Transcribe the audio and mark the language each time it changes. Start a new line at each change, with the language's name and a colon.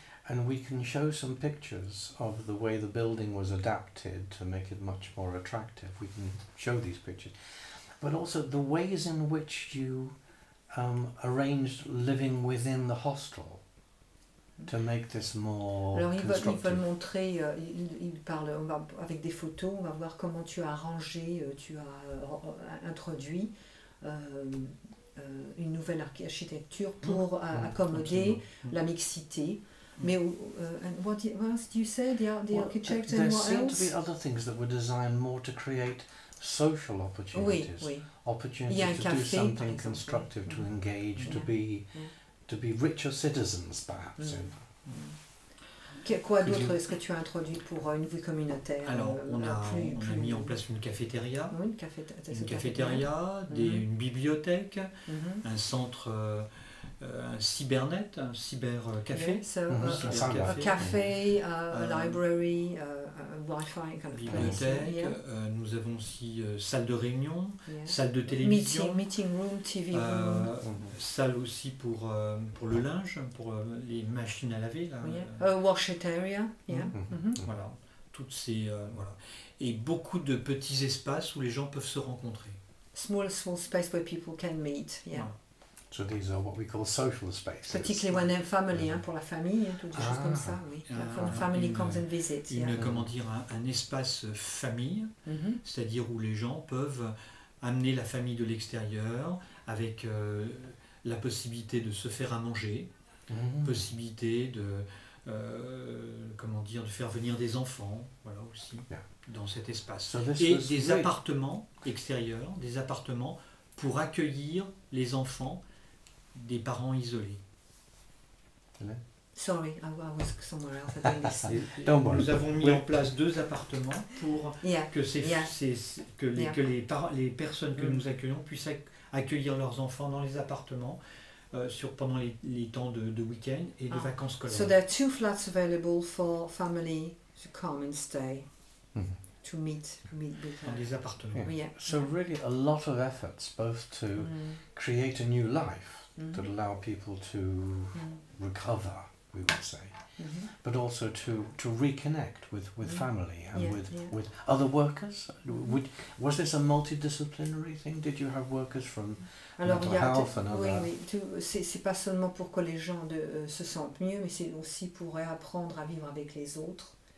English: And we can show some pictures of the way the building was adapted to make it much more attractive. We can show these pictures. But also the ways in which you arranged living within the hostel to make this more constructive.
French: Alors, ils veulent montrer, ils parlent avec des photos, on va voir comment tu as arrangé, tu as introduit une nouvelle architecture pour accommoder la mixité.
English: Mais what else did you say, the architect, and what else? There seem to be other things that were designed more to create social opportunities.
French: Oui, oui.
English: Opportunities to do something constructive, to engage, yeah. To be richer citizens, perhaps. Mm.
French: Quoi d'autre est-ce que tu as introduit pour une vie communautaire? Alors, on a mis en place une cafétéria. Oui, une cafétéria. Une bibliothèque, mm-hmm. un centre... un cybercafé.
English: Yeah, so a café, library, wifi kind of place.
French: Bibliothèque,
English: yeah.
French: Nous avons aussi salle de réunion, yeah. salle de télévision.
English: Meeting room, TV room.
French: Salle aussi pour le linge, pour les machines à laver. Là.
English: Yeah. Washet area, yeah. Mm-hmm.
French: Voilà, toutes ces... voilà. Et beaucoup de petits espaces où les gens peuvent se rencontrer.
English: Small space where people can meet, yeah. Voilà. So these are what we call social spaces. Particularly when they're family, yeah.
French: Pour la famille, toutes des choses comme ça, oui.
English: When the family comes and visits.
French: Une, comment dire, un espace famille, mm-hmm. c'est-à-dire où les gens peuvent amener la famille de l'extérieur avec la possibilité de se faire à manger, mm-hmm. possibilité de, comment dire, de faire venir des enfants, voilà aussi, yeah. dans cet espace.
English: So
French: et des appartements extérieurs, des appartements pour accueillir les enfants des parents isolés.
English: Sorry, I was somewhere else. I didn't listen.
French: Nous avons mis en place deux appartements pour que les personnes que nous accueillons puissent accueillir leurs enfants dans les appartements pendant les temps de week-end et de vacances scolaires.
English: So there are two flats available for family to come and stay. Mm-hmm. To meet
French: des appartements.
English: Yeah. Yeah. So really a lot of efforts both to create a new life mm-hmm. that allow people to recover, we would say, mm-hmm. but also to reconnect with family and with other workers. Mm-hmm. Was this a multidisciplinary thing? Did you have workers from mental health and other?
French: C'est pas seulement pour que les gens se sentent mieux, mais c'est aussi pour apprendre à vivre avec les autres.